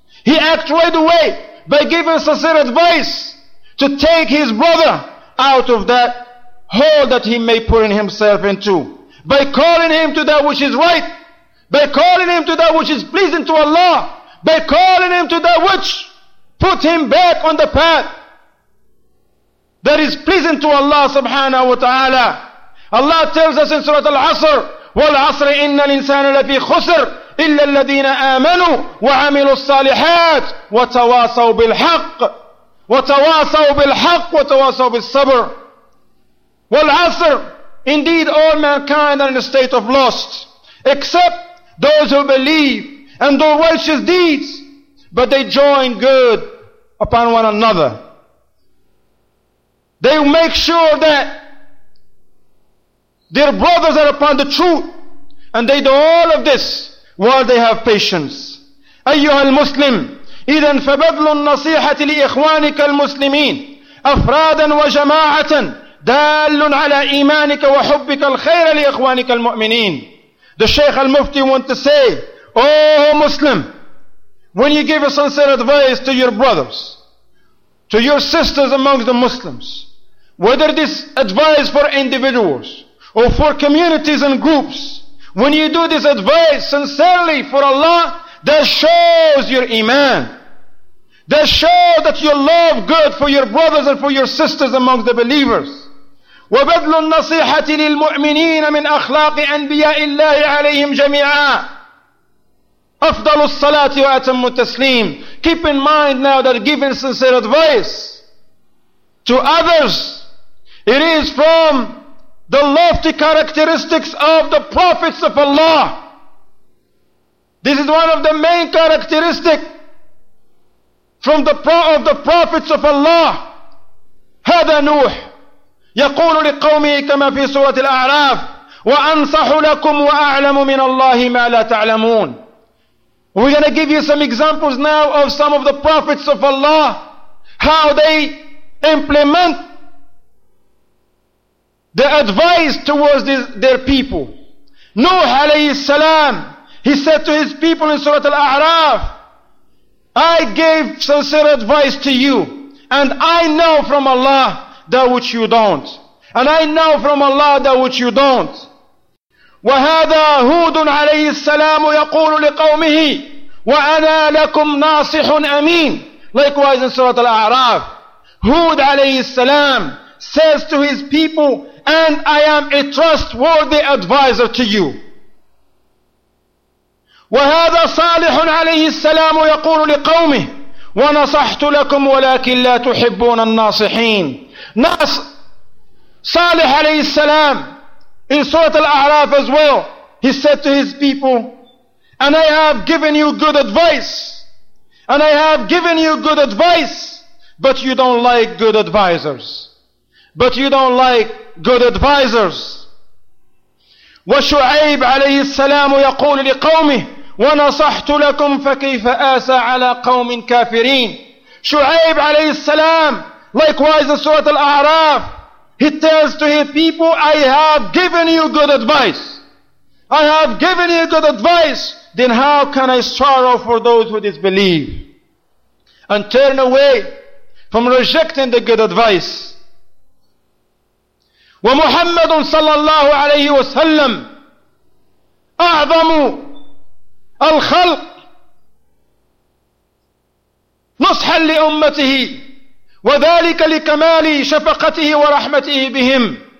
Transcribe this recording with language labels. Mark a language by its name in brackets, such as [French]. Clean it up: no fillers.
[English] He acts right away by giving sincere advice to take his brother out of that hole that he may put in himself into. By calling him to that which is right, by calling him to that which is pleasing to Allah, by calling him to that which put him back on the path that is pleasing to Allah subhanahu wa ta'ala. Allah tells us in Surah Al-Asr, [Arabic] وَالْعَصْرِ إِنَّ الْإِنسَانَ لَفِي خُسْرٍ إِلَّا الَّذِينَ آمَنُوا وَعَمِلُوا الصَّالِحَاتِ وَتَوَاصَوْا بِالْحَقِّ وَتَوَاصَوْا بِالْحَقِّ وَتَوَاصَوْا بِالصَّبْرِ. [English] وَالْعَصْرِ, indeed all mankind are in a state of lust, except those who believe and do righteous deeds, but they join good upon one another. They make sure that their brothers are upon the truth, and they do all of this while they have patience. [Arabic] أيها المسلم إذا فبذل النصيحة لإخوانك المسلمين أفرادا وجماعة دال على إيمانك وحبك الخير لإخوانك المؤمنين. [English] The Sheikh Al-Mufti want to say, oh Muslim, when you give a sincere advice to your brothers, to your sisters amongst the Muslims, whether this advice for individuals or for communities and groups, when you do this advice sincerely for Allah, that shows your iman. That shows that you love good for your brothers and for your sisters amongst the believers. [Arabic] وبذل النصيحة للمؤمنين من أخلاق أنبياء الله عليهم جميعا أفضل الصلاة وأتم التسليم. [English] Keep in mind now that giving sincere advice to others, it is from the lofty characteristics of the prophets of Allah. This is one of the main characteristics from the of the prophets of Allah. [Arabic] هذا نوح يقول لقومه كما في سورة الأعراف وأنصح لكم وأعلم من الله ما لا تعلمون. [English] We're going to give you some examples now of some of the prophets of Allah, how they implement the advice towards their people. Nuh alayhi salam, he said to his people in Surah Al-A'raf, I gave sincere advice to you, and I know from Allah that which you don't. And I know from Allah that which you don't. [Arabic] وهذا هود عليه السلام يقول لقومه وأنا لكم ناصح أمين. [English] Likewise in Surah Al-A'raf, Hud عليه السلام says to his people, and I am a trustworthy advisor to you. [Arabic] وهذا صالح عليه السلام يقول لقومه ونصحت لكم ولكن لا تحبون الناصحين. [English] صالح عليه السلام in Surah Al-A'raf as well, he said to his people, and I have given you good advice, and I have given you good advice, but you don't like good advisors. But you don't like good advisors. [Arabic] وشعيب عليه السلام يقول لقومه ونصحت لكم فكيف آسى على قوم كافرين. [English] شعيب عليه السلام, likewise in Surah Al-A'raf, he tells to his people, I have given you good advice. I have given you good advice. Then how can I sorrow for those who disbelieve and turn away from rejecting the good advice? [Arabic] ومحمد صلى الله عليه وسلم أعظم الخلق نصحا لأمته وذلك لكمال شفقته ورحمته بهم.